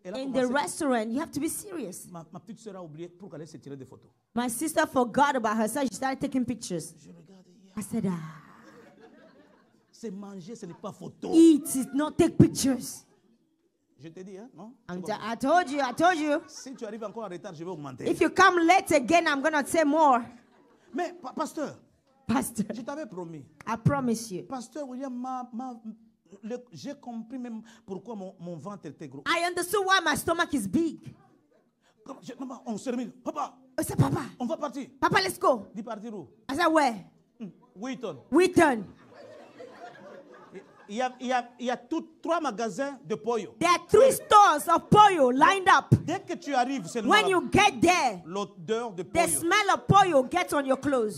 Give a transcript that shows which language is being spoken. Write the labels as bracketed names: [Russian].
[English] Elle In the restaurant, you have to be serious. [French] Ma petite sœur a oublié pour qu'elle se tire des photos. [English] My sister forgot about herself. She started taking pictures. [French] Je regarde. [English] Yeah. I said ah. [French] C'est manger, ce n'est pas photo. [English] Eat, it's not take pictures. [French] Je t'ai dit, hein, non? [English] I told you. [French] Si tu arrives encore en retard, je vais augmenter. [English] If you come late again, I'm going to say more. [French] Mais, pasteur. Pasteur. Je t'avais promis. [English] I promise you. [French] Pasteur William, j'ai compris même pourquoi mon ventre était gros. [English] I understood why my stomach is big. [French] Maman, on se remet. Papa. C'est papa. On va partir. [English] Papa, let's go. [French] Dis partir où? [English] I said, where? Wheaton. Wheaton. [French] Il y a tout trois magasins de pollo. [English] There are three stores of pollo lined up. [French] Dès que tu arrives, c'est [English] when you get there, [French] l'odeur de pollo. [English] The smell of pollo gets on your clothes.